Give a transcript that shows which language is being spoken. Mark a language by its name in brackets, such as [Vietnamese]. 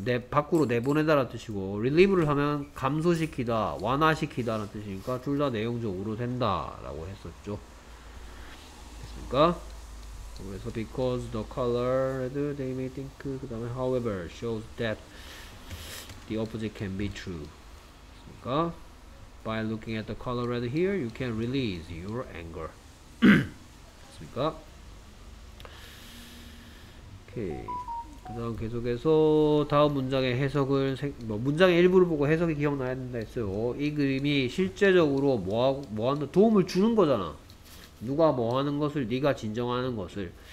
[Korean] 밖으로 내보내다 라는 뜻이고 relieve를 하면 감소시키다, 완화시키다 라는 뜻이니까 둘 다 내용적으로 된다 라고 했었죠. 됐습니까? [English] 그래서 because the color red they may think [Korean] 그 다음에 [English] however shows that the opposite can be true. [Korean] 됐습니까? [English] by looking at the color red here you can release your anger. [Korean] 됐습니까? 그 다음 계속해서 다음 문장의 해석을 뭐 문장의 일부를 보고 해석이 기억나야 된다 했어요. 이 그림이 실제적으로 뭐 한다 도움을 주는 거잖아. 누가 뭐 하는 것을 네가 진정하는 것을.